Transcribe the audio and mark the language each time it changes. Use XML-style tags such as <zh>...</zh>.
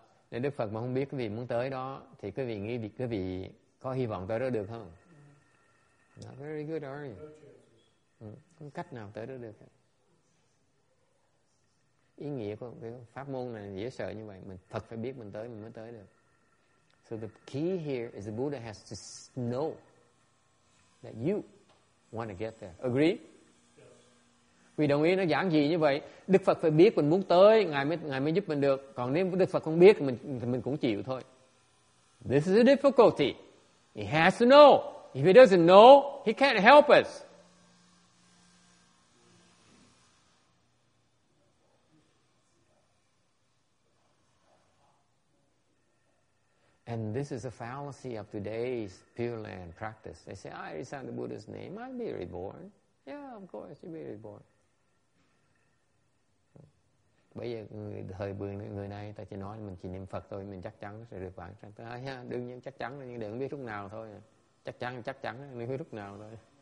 <vi>Nếu Đức Phật mà không biết quý vị muốn tới đó, thì quý vị nghĩ quý vị có hy vọng tới đó được không?</vi> <en>Not very good, are you?</en> <vi>Không cách nào tới đó được. Ý nghĩa của cái pháp môn này dễ sợ như vậy. Mình thật phải biết mình tới, mình mới tới được.</vi> <en>So the key here is the Buddha has to know that you want to get there. Agree?</en> <vi>Vì đồng ý nó giảng gì như vậy, Đức Phật phải biết mình muốn tới, ngài mới giúp mình được. Còn nếu Đức Phật không biết mình cũng chịu thôi.</vi> <en>This is a difficulty. He has to know. If he doesn't know, he can't help us. And this is a fallacy of today's Pure Land practice. They say, I recite the Buddha's name, I'll be reborn. Yeah, of course, you may be born.</en> <vi>Bây giờ người thời bường người nay ta chỉ nói mình chỉ niệm Phật thôi, mình chắc chắn nó sẽ được vãng sanh. Thôi ha, đương nhiên chắc chắn, nhưng đừng biết lúc nào thôi. Chắc chắn, đừng biết lúc nào thôi.</vi>